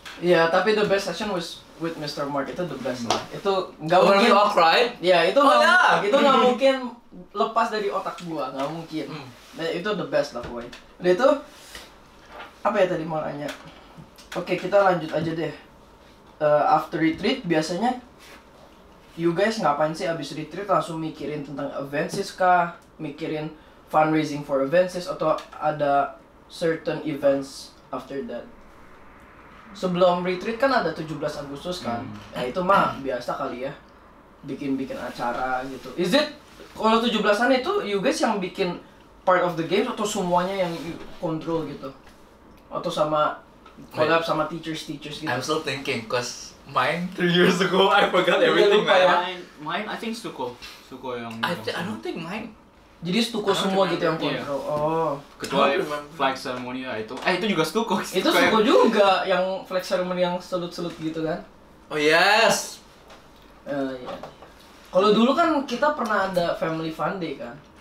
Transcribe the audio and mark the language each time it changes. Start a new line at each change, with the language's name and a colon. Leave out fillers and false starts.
English: Ya tapi the best session was with Mr.
Indonesian: Mark, itu the best lah. Itu nggak mungkin.
English: When we all cried.
Indonesian: Ya itu nggak itu nggak mungkin lepas dari otak gua, nggak mungkin. Nah, itu the best lah boy. Udah itu apa ya tadi mau nanya. Oke, kita lanjut aja deh.
English: After retreat
Indonesian: biasanya you guys ngapain sih abis retreat langsung mikirin tentang Avensis kah, mikirin fundraising for Avensis atau ada
English: certain events after that?
Indonesian: Sebelum retreat kan ada 17 Agustus kan, ya itu mah biasa kali ya, bikin-bikin acara gitu. Is it kalau 17-an itu you guys yang bikin
English: part of the game
Indonesian: atau semuanya yang control gitu atau sama collab sama teachers gitu.
English: I'm still thinking, cause mine 3 years ago I forgot everything.
Indonesian: Lupa, ya?
English: Mine, I think Stuko yang. I don't think mine.
Indonesian: Jadi Stuko semua gitu yang kontrol.
English: Yeah. Oh.
Indonesian: Kecuali flag ceremony itu. Itu juga Stuko. Itu Stuko juga yang flag ceremony yang selut-selut gitu kan?
English: Oh yes.
Indonesian: Kalau dulu kan kita pernah ada family fun day kan?